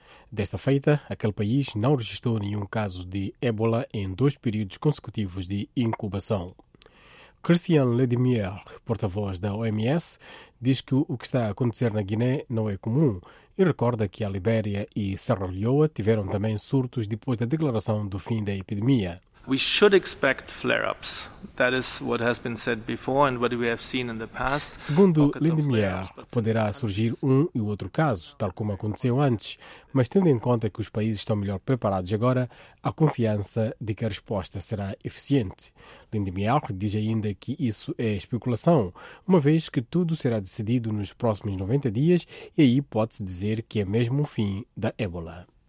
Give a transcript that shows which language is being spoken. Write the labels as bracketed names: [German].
[Portuguese] Desta feita, aquele país não registrou nenhum caso de Ébola em dois períodos consecutivos de incubação. Christian Ledimier, porta-voz da OMS, diz que o que está a acontecer na Guiné não é comum e recorda que a Libéria e Serra Leoa tiveram também surtos depois da declaração do fim da epidemia. [English] We should expect flare-ups. That is what has been said before and what we have seen in the past. [Portuguese] Segundo Lindemier, poderá surgir um e outro caso, tal como aconteceu antes, mas tendo em conta que os países estão melhor preparados agora, há confiança de que a resposta será eficiente. Lindemier diz ainda que isso é especulação, uma vez que tudo será decidido nos próximos 90 dias e aí pode-se dizer que é mesmo o fim da Ébola.